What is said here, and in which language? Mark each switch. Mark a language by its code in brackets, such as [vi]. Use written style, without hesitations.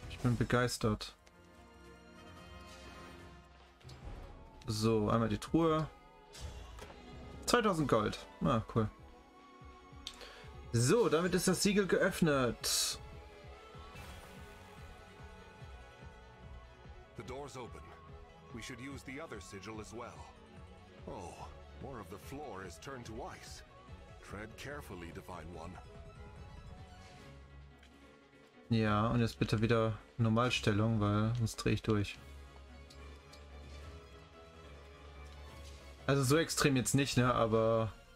[de] Ich bin begeistert. So, einmal die Truhe. 2000 Gold. Na, ah, cool. So, damit ist das Siegel geöffnet. [en] The door's open. We should use the other sigil as well. Oh, more of the floor is turned to ice. Tread carefully, divine one. [de] Ja, und jetzt bitte wieder Normalstellung, weil sonst drehe ich durch. Also so extrem jetzt nicht, ne, aber...